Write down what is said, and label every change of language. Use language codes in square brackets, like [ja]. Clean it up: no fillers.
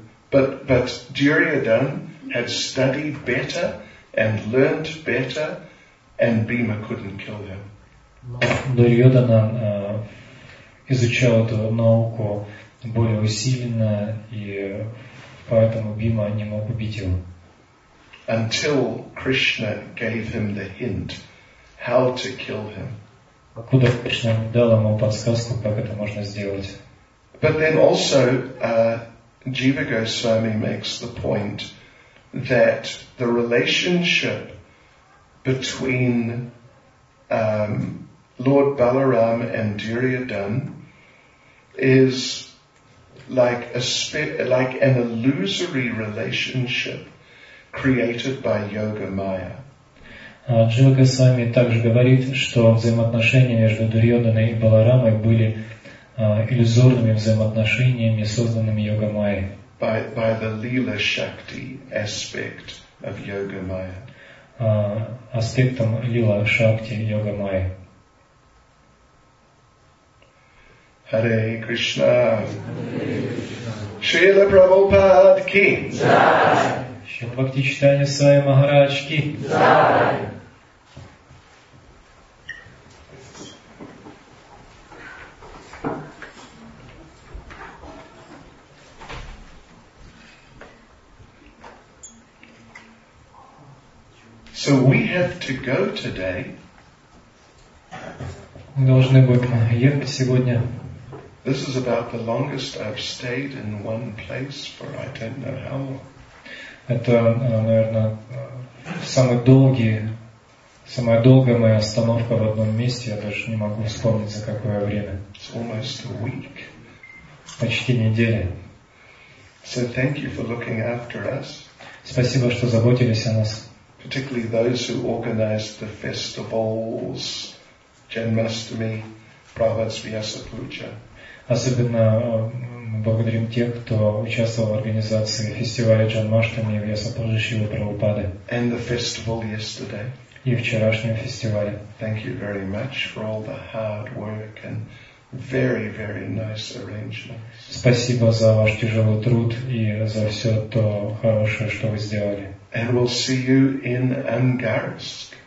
[en] But Duryodhana had studied better and learned better, and Bhima couldn't kill him. [ru] Duryodhana изучал эту науку более усиленно, и поэтому Бхима не мог убить его. [en] Until Krishna gave him the hint how to kill him. [ru] Откуда Кришна дал ему подсказку, как это можно сделать? [en] But then also, Jiva Goswami makes the point that the relationship between Lord Balaram and Duryodhan is like a like an illusory relationship created by yoga maya. [ru] Джива Госвами также говорит, что взаимоотношения между Дурьоданой и Баларамой были иллюзорными взаимоотношениями, созданными йога майей. [en] By the lila shakti aspect of yoga maya. [ru] Аспектом лила шакти йога майи. [en] Hare Krishna. Śrīla Prabhupāda ki. [hi] Jai. [en] Śrīla Bhakti Chaitanya Swami Maharaj ki. [hi] Jai. [en] So we have to go today. [ru] Мы должны будем ехать сегодня. [en] This is about the longest I've stayed in one place for I don't know how long. [ru] Это, наверное, самая долгая моя остановка в одном месте. Я даже не могу вспомнить, за какое время. [en] It's almost a week. [ru] Почти неделя. [en] So thank you for looking after us. [ru] Спасибо, что заботились о нас. [en] Particularly those who organized the festivals, Janmashtami, Prabhasvyasa Puja. [ru] Особенно благодарим тех, кто участвовал в организации фестиваля Джанмаштами и Вьяса Пуджащивы Прабхупады. [en] And the festival yesterday. [ru] И вчерашнем фестивале. [en] Thank you very much for all the hard work and very, very nice arrangements. [ru] Спасибо за ваш тяжелый труд и за все то хорошее, что вы сделали. [en] And we'll see you in Angarsk.